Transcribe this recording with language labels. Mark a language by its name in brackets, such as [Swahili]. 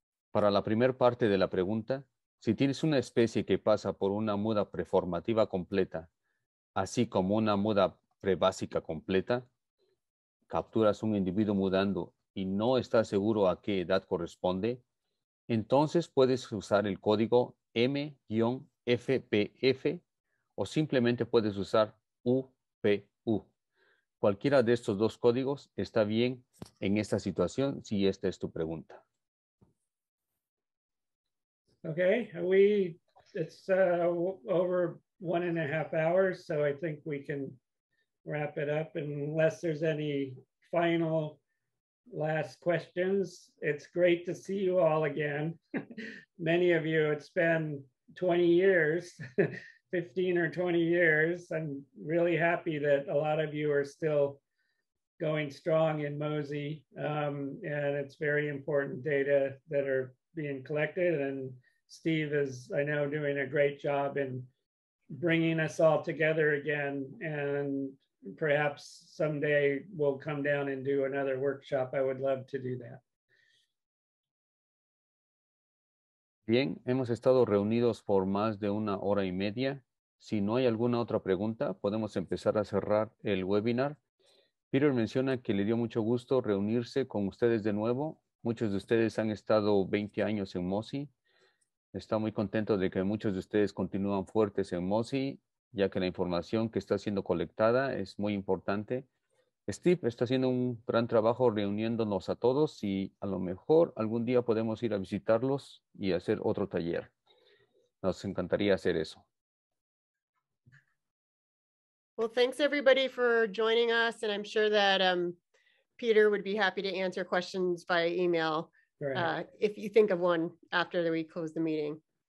[Spanish] Para la primera parte de la pregunta, si tienes una especie que pasa por una muda preformativa completa, así como una muda prebásica completa, capturas un individuo mudando y no estás seguro a qué edad corresponde, entonces puedes usar el código M-FPF o simplemente puedes usar UPU. Cualquiera de estos dos códigos está bien en esta situación, si esta es tu pregunta. [English] Okay, it's over 1.5 hours, so I think we can wrap it up. Unless there's any final last questions, it's great to see you all again. Many of you, it's been 20 years, 15 or 20 years. I'm really happy that a lot of you are still going strong in MoSI, and it's very important data that are being collected. And Steve is, I know, doing a great job in bringing us all together again. And perhaps someday we'll come down and do another workshop. I would love to do that. [Spanish] Bien, hemos estado reunidos por más de una hora y media. Si no hay alguna otra pregunta, podemos empezar a cerrar el webinar. Peter menciona que le dio mucho gusto reunirse con ustedes de nuevo. Muchos de ustedes han estado 20 años en MoSI. Está muy contento de que muchos de ustedes continúan fuertes en MoSI, ya que la información que está siendo colectada es muy importante. Steve está haciendo un gran trabajo reuniéndonos a todos y a lo mejor algún día podemos ir a visitarlos y hacer otro taller. Nos encantaría hacer eso. [English] Well, thanks everybody for joining us, and I'm sure that Peter would be happy to answer questions via email. If you think of one after we close the meeting.